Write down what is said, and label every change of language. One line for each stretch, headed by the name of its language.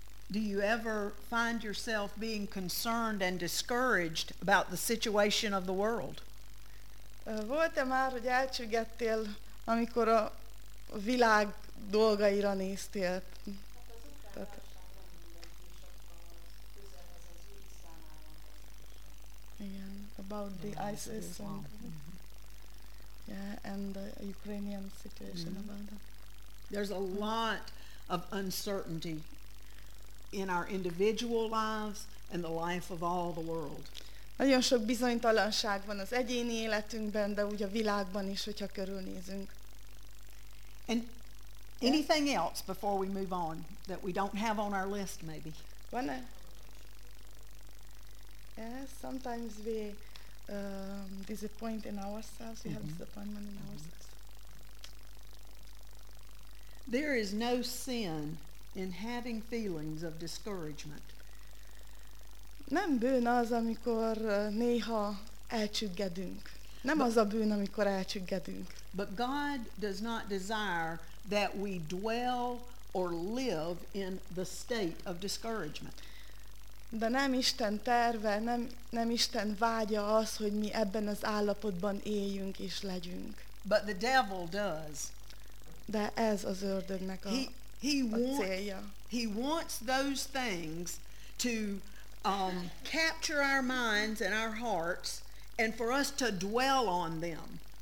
English: Do you ever find yourself being concerned and discouraged about the situation of the world?
Hungarian: Volt-e már, hogy elcsüggettél, amikor a világ dolgaira néztél? Tehát igen,
English: about the ISIS and, yeah, and the Ukrainian situation mm-hmm. about that. There's a lot of uncertainty in our individual lives and the life of all the world.
Hungarian: Nagyon sok bizonytalanság van az egyéni életünkben, de úgy a világban is, hogyha körülnézünk.
English: And anything else before we move on that we don't have on our list, maybe?
Hungarian: Van-e?
English: Yes, sometimes we disappoint in ourselves. We have disappointment in ourselves. There is no sin in having feelings of discouragement.
Hungarian: Nem bűn az, amikor néha elcsüggedünk. Nem az a bűn, amikor elcsüggedünk.
English: But God does not desire that we dwell or live in the state of discouragement.
Hungarian: De nem Isten terve, nem Isten vágya az, hogy mi ebben az állapotban éljünk és legyünk.
English: But the devil does.
Hungarian: De ez az ördögnek a, célja.
English: He wants those things to capture our minds and our hearts and for us to dwell on them.